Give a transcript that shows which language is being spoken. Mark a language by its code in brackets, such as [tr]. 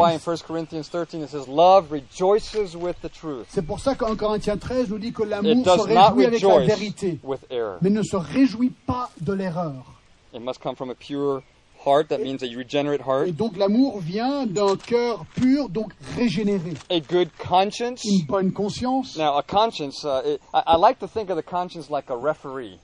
[en] Why in 1 Corinthians 13 it says love rejoices with the truth. [fr] C'est pour ça qu'en Corinthiens 13 nous dit que l'amour [en] it does [fr] se réjouit [en] not [fr] avec [en] rejoice [fr] la vérité, [en] with error. [fr] Mais ne se réjouit pas de l'erreur. [en] It must come from a pure heart, that means a regenerate heart. [fr] Et donc l'amour vient d'un cœur pur, donc régénéré. [en] A good conscience. [fr] Une bonne conscience. [en] Now a conscience, I like to think of the conscience like a referee.